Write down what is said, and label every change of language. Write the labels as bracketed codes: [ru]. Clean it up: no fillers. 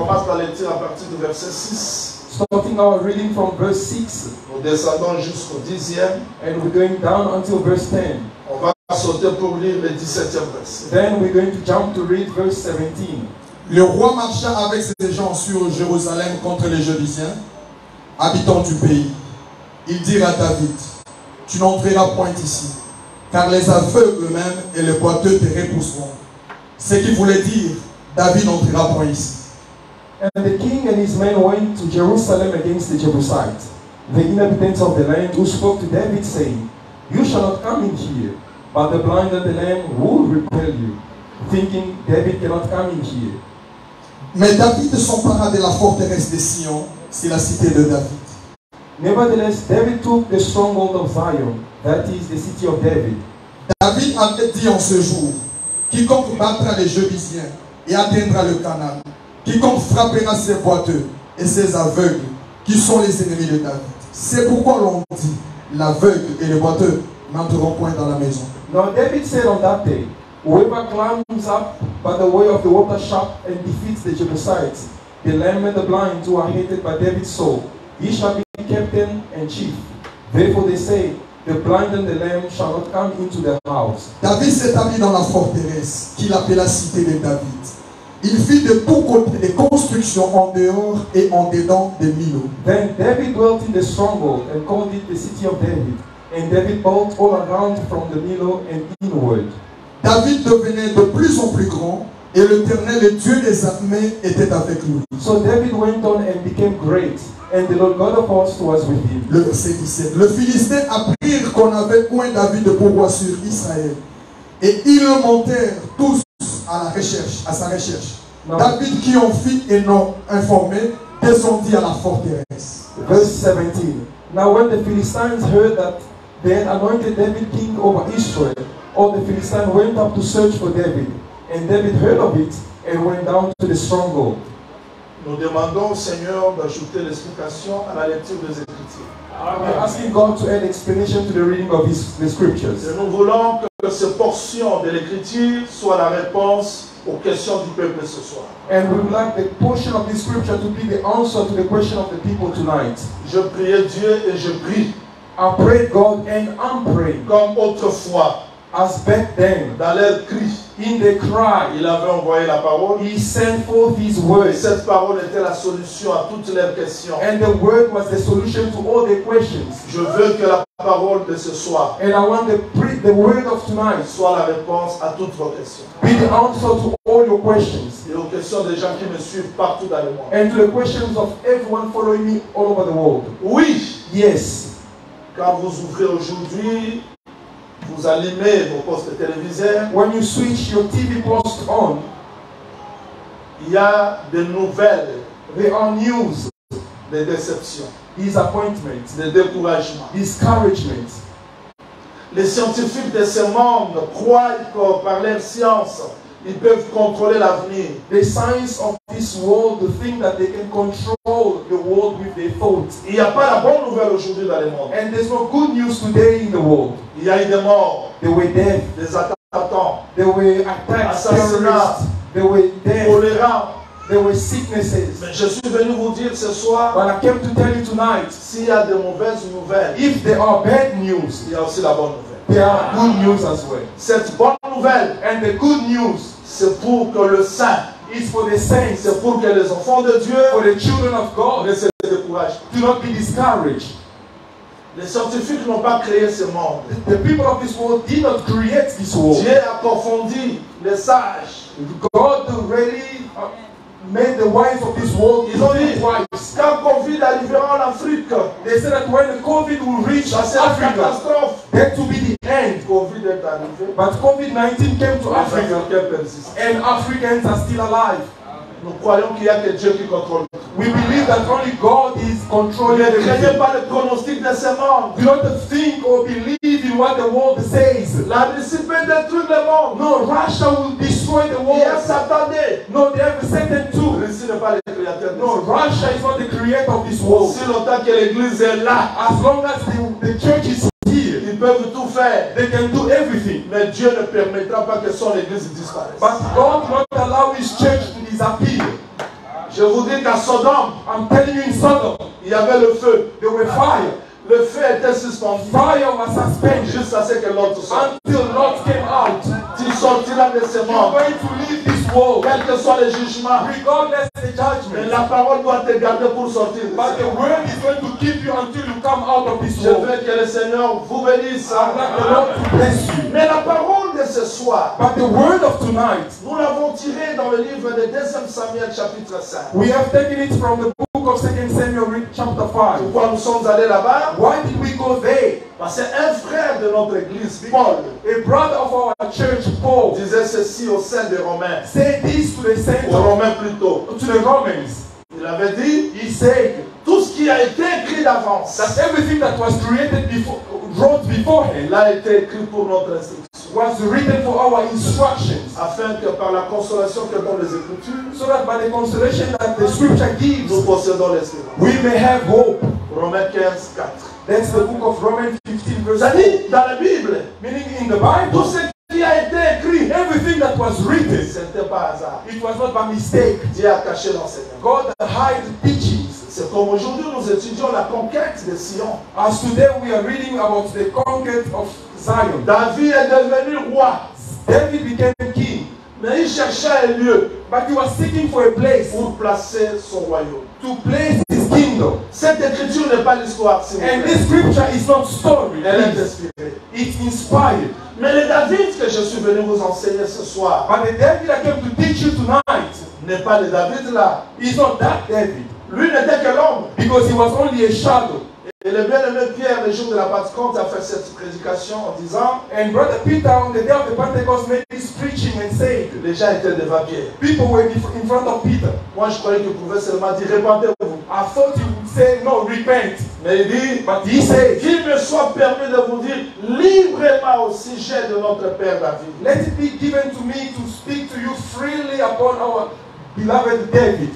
[fr] On commence par le tir à partir du verset 6. [en] Starting our reading from verse 6. [fr] Nous descendons jusqu'au 10e. [en] And we're going down until verse 10. [fr] On va sauter pour lire le 17e verset. [en] Then we're going to jump to read verse 17. [fr] Le roi marcha avec ses gens sur Jérusalem contre les Jébusiens, habitants du pays. Ils dirent à David, tu n'entreras point ici, car les aveugles eux-mêmes et les boiteux te repousseront. Ce qui voulait dire, David n'entrera point ici. [en] And the king and his men went to Jerusalem against the Jebusites, the inhabitants of the land, who spoke to David, saying, you shall not come in here, but the blind and the lame will repel you, thinking David cannot come in here. [fr] Mais David s'empara de la forteresse de Sion, c'est la cité de David. [en] Nevertheless, David took the stronghold of Zion, that is the city of David. [fr] David avait dit en ce jour, quiconque battra les Jebusiens et atteindra le canal, quiconque frappera ses boiteux et ses aveugles, qui sont les ennemis de David. C'est pourquoi l'on dit, l'aveugle et le boiteux n'entreront point dans la maison. [en] Now David said on that day, whoever climbs up by the way of the water shaft and defeats the Jebusites, the lame and the blind who are hated by David's soul, he shall be captain and chief. Therefore they say, the blind and the lame shall not come into the house. [fr] David s'établit dans la forteresse qu'il appela cité de David. Il fit de tous côtés des constructions en dehors et en dedans des milieux. [en] Then David dwelt in the stronghold and called it the city of David. And David built all around from the Milo and inward. [fr] David devenait de plus en plus grand, et l'Éternel, le Dieu des armées, était avec lui. [en] So David went on and became great, and the Lord God of hosts was with him. [fr] Le verset 17. Le Philistin apprit qu'on avait point David de pouvoir sur Israël, et ils le montèrent tous à sa recherche. Now, David, qui en fit et non informé, descendit à la forteresse. [en] Verse 17. Now when the Philistines heard that they had anointed David king over Israel, all the Philistines went up to search for David. And David heard of it and went down to the stronghold. [fr] Nous demandons au Seigneur d'ajouter l'explication à la lecture des Écritures. [en] We are asking God to add explanation to the reading of the Scriptures. [fr] Et nous voulons que ces portions de l'Écriture soient la réponse aux questions du peuple ce soir. [en] And we would like the portion of this scripture to be the answer to the question of the people tonight. [fr] Je priais Dieu et je prie. [en] I prayed God and I'm praying. [fr] Comme autrefois, [en] as back then, [fr] dans leur cri, [en] in the cry, [fr] il avait envoyé la parole. [en] He sent forth his word. Et [fr] cette parole était la solution à toutes leurs questions. [en] And the word was the solution to all their questions. [fr] Je veux que la parole de ce soir, [en] and I want the word of tonight, [fr] soit la réponse à toutes vos questions. [en] Be the answer to all your questions. [fr] Et aux questions des gens qui me suivent partout dans le monde. [en] And to the questions of everyone following me all over the world. [fr] Oui. [en] Yes. [fr] Quand vous ouvrez aujourd'hui, vous allumez vos postes télévisaires. [en] When you switch your TV post on, [fr] il y a des nouvelles, [en] there are news, [fr] des déceptions, [en] disappointments, [fr] des découragements, [en] discouragements. [fr] Les scientifiques de ce monde croient que par leur science, ils peuvent contrôler l'avenir. [en] The science of this world, the thing that they can control the world with their thoughts. [fr] Il n'y a pas la bonne nouvelle aujourd'hui dans le monde. [en] And there's no good news today in the world. [fr] Il y a eu des morts. [en] There were death. [fr] Des attentats. [en] There were attacks. [fr] Assassinats. [en] There were death. [fr] Choléra. [en] There were sicknesses. [fr] Mais je suis venu vous dire ce soir. [en] But I came to tell you tonight. [fr] S'il y a des mauvaises nouvelles. [en] If there are bad news. [fr] Il y a aussi la bonne nouvelle. [en] There are good news as well. [fr] Cette bonne nouvelle. [en] And the good news. [fr] C'est pour que le saint, [en] it's for the saints, [fr] c'est pour que les enfants de Dieu, [en] for the children of God, [fr] ne se découragent pas. [en] Do not be discouraged. [fr] Les scientifiques n'ont pas créé ce monde. [en] The people of this world did not create this world. [fr] Dieu a confondu les sages. [en] God really made the wise of this world. [fr] Ils ont dit, quand COVID arrivera en Afrique, [en] they said that when the COVID will reach Africa, [fr] catastrophe, [en] that to be the end. [fr] COVID est arrivé. [en] But COVID-19 came to Africa. Africa. And Africans are still alive. Amen. [fr] Nous croyons qu'il y a que Dieu qui contrôle. [en] We believe that only God is controlling the world. [fr] Ne craignez pas le pronostic de ce monde. [en] Do not think or believe in what the world says. [fr] La réussite peut détruire le monde. [en] No, Russia will destroy the world. [fr] Yes, attendez. [en] No, they have Satan too. [fr] La réussite n'est pas le créateur. [en] No, Russia is not the creator of this world. [fr] Si longtemps que l'église est là. [en] As long as the church is here. [fr] Ils peuvent tout faire. [en] They can do everything. [fr] Mais Dieu ne permettra pas que son église disparaisse. [en] But God will not allow his church to disappear. [fr] Je vous dis qu'à Sodome, [en] I'm telling you in Sodom, [fr] il y avait le feu. [en] There were fire. [fr] Le feu était suspendu. [en] Fire was suspended. [fr] Jusqu'à ce que l'autre sorte. [en] Until Lot came out. [fr] Tu sortiras de ce monde. [en] You're going to leave this world. [fr] Quel que soit le jugement. [en] Regardless of the judgment. [fr] Mais la parole doit te garder pour sortir. [en] But the word is going to keep you until you come out of this [fr] Je [en] world. [fr] Je veux que le Seigneur vous bénisse. [en] Like the Lord to bless you. [fr] Mais la parole de ce soir. [en] But the word of tonight. [fr] Nous l'avons tiré dans le livre de 2 Samuel chapitre 5. [en] We have taken it from the book of 2 Samuel chapter 5. [fr] Pourquoi nous sommes allés là-bas? [en] Why did we go there? [fr] Parce qu'un frère de notre église, Paul, [en] a brother of our church, Paul, [fr] disait ceci aux saints des Romains. [en] Say this to the saints. [fr] Aux Romains plutôt. [en] To the Romans. [fr] Il avait dit, [en] he said, [fr] tout ce qui a été écrit d'avance, [en] that everything that was created before, wrote beforehand, [fr] l'a été écrit pour notre instruction. [en] Was written for our instructions. [fr] Afin que par la consolation que donnent les Écritures, [en] so that by the consolation that the Scripture gives, [fr] nous possédons l'espérance. [en] We may have hope. [fr] Romains 15, 4. [en] That's the book of Romans 15, verse [fr] 4. C'est-à-dire dans la Bible, [en] meaning in the Bible, [fr] tout ce qui a été écrit, [en] everything that was written, [fr] ce n'était pas hasard. [en] It was not by mistake. [fr] Dieu a caché l'enseignement. [en] God hides teachings. [fr] C'est comme aujourd'hui nous étudions la conquête de Sion. [en] As today we are reading about the conquest of Zion. [fr] David est devenu roi. [en] David became king. [fr] Mais il cherchait un lieu. [en] But he was seeking for a place. [fr] Pour placer son royaume. [en] To place his kingdom. [fr] Cette écriture n'est pas l'histoire, s'il vous plaît. [en] And this scripture is not story. [fr] Elle est inspirée. [en] It's inspired. [fr] Mais le David que je suis venu vous enseigner ce soir. [en] But the David I came to teach you tonight. [fr] N'est pas le David là. [en] He's not that David. [fr] Lui n'était que l'homme. [en] Because he was only a shadow. [fr] Et le bien-aimé Pierre, le jour de la Pentecôte, a fait cette prédication en disant, [en] and Brother Peter, on the day of the Pentecost, made this preaching and said, [fr] les gens étaient devant Pierre. [en] People were in front of Peter. [fr] Moi, je croyais qu'il pouvait seulement dire, repentez-vous. [en] I thought he would say, no, repent. [fr] Mais il dit, [en] but he said, [fr] qu'il me soit permis de vous dire, librement au sujet de notre Père David. [en] Let it be given to me to speak to you freely upon our beloved David,